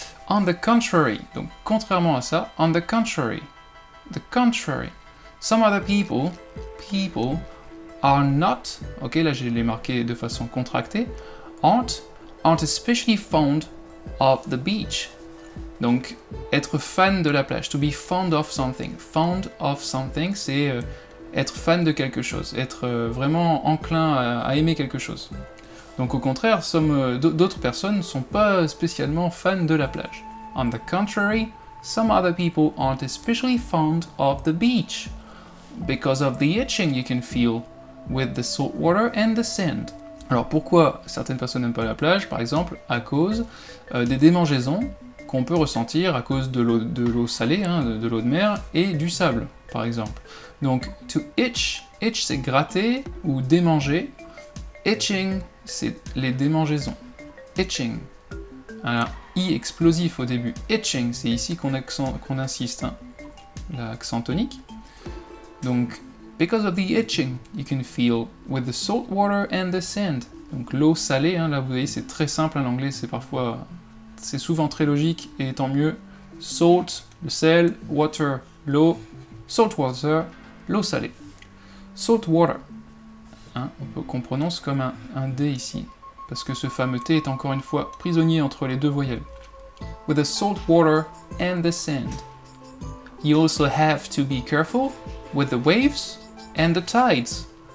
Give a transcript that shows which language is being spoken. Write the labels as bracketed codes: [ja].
[en] On the contrary, [fr] donc contrairement à ça, [en] on the contrary, some other people are not, ok, [fr] là je l'ai marqué de façon contractée, [en] aren't especially fond of the beach. [fr] Donc, être fan de la plage, to be fond of something. Fond of something, c'est être fan de quelque chose, être vraiment enclin à aimer quelque chose. Donc au contraire, d'autres personnes ne sont pas spécialement fans de la plage. [en] On the contrary, some other people aren't especially fond of the beach because of the itching you can feel with the salt water and the sand. [fr] Alors pourquoi certaines personnes n'aiment pas la plage? Par exemple, à cause des démangeaisons qu'on peut ressentir à cause de l'eau salée, hein, de l'eau de mer, et du sable, par exemple. Donc, to itch, itch c'est gratter ou démanger. Itching, c'est les démangeaisons. Itching. Un I explosif au début. Itching, c'est ici qu'on insiste, hein, l'accent tonique. [en] Donc, because of the itching you can feel with the salt water and the sand. [fr] Donc l'eau salée, hein, là vous voyez c'est très simple en anglais, c'est parfois, c'est souvent très logique et tant mieux. Salt, le sel, water, l'eau, salt water, l'eau salée. Salt water, hein, qu'on prononce comme un D ici, parce que ce fameux T est encore une fois prisonnier entre les deux voyelles. [en] With the salt water and the sand. You also have to be careful with the waves and the tides.